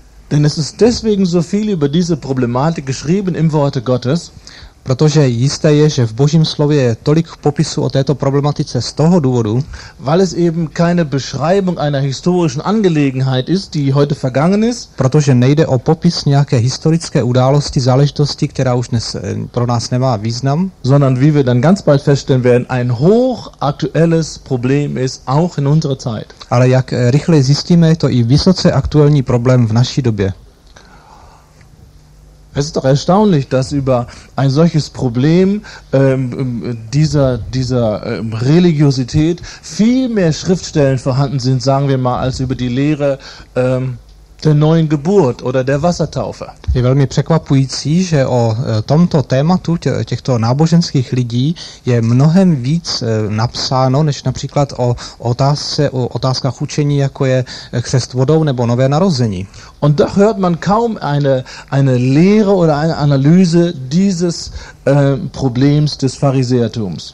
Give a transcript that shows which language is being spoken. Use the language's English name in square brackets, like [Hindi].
[German] Denn es ist deswegen so viel über diese Problematik geschrieben im Worte Gottes. [Czech] Protože jisté je, že v Božím slově je tolik popisu o této problematice z toho důvodu, [German] weil es eben keine Beschreibung einer historischen Angelegenheit ist, die heute vergangen ist. [Czech] Protože nejde o popis nějaké historické události, záležitosti, která už dnes pro nás nemá význam, [German] sondern wie wir dann ganz bald feststellen werden, ein hochaktuelles Problem ist auch in unserer Zeit. [Czech] Ale jak rychle zjistíme, je to i vysoce aktuální problém v naší době. [German] Es ist doch erstaunlich, dass über ein solches Problem dieser Religiosität viel mehr Schriftstellen vorhanden sind, sagen wir mal, als über die Lehre der neuen Geburt oder der Wassertaufe. [Czech] Je velmi překvapující, že o tomto tématu těchto náboženských lidí je mnohem víc napsáno, než například o otázkách učení, jako je křest vodou nebo nové narození. [German] Und doch hört man kaum eine Lehre oder eine Analyse dieses Problems des Pharisäertums.